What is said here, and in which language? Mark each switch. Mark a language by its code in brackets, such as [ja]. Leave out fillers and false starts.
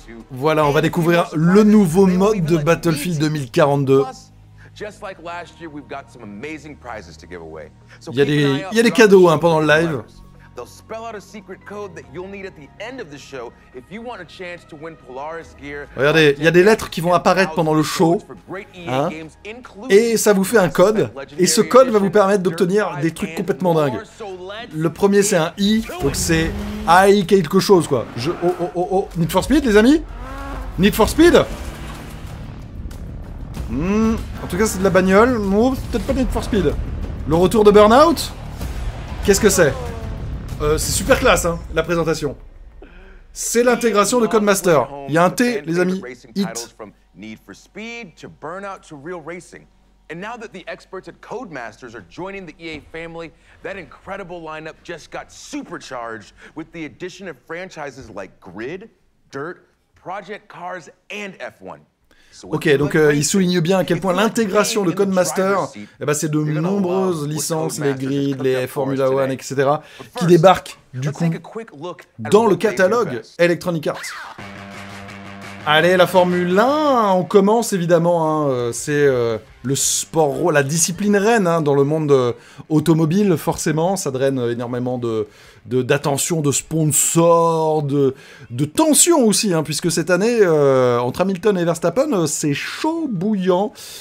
[fr] Voilà, on va découvrir le nouveau mode de Battlefield 2042. [en] Just like last year, we've got some amazing prizes to give away. [fr] Il y a des cadeaux pendant le live. [en] They'll spell out a secret code that you'll need at the end of the show if you want a chance to win Polaris gear. [fr] Regardez, il y a des lettres qui vont apparaître pendant le show, hein, et ça vous fait un code, et ce code va vous permettre d'obtenir des trucs complètement dingues. Le premier, c'est un I, donc c'est I quelque chose, quoi. Need for Speed, les amis? Need for Speed? En tout cas, c'est de la bagnole. Non, peut-être pas Need for Speed. Le retour de Burnout? Qu'est-ce que c'est? C'est super classe, hein, la présentation. C'est l'intégration de Codemaster. Il y a un T, les amis. Hit. [en] Need for Speed to Burnout to Real Racing. And now that the experts at Codemasters are joining the EA family, that incredible lineup just got supercharged with the addition of franchises like Grid, Dirt, Project Cars and F1. [fr] Ok, donc il souligne bien à quel point l'intégration de Codemaster, eh ben, c'est de nombreuses licences, les Grid, les Formula One, etc., qui débarquent, du coup, dans le catalogue Electronic Arts. Allez, la Formule 1, on commence évidemment, hein, c'est le sport, la discipline reine, hein, dans le monde automobile, forcément, ça draine énormément d'attention, de sponsors, de tension aussi, hein, puisque cette année, entre Hamilton et Verstappen, c'est chaud bouillant.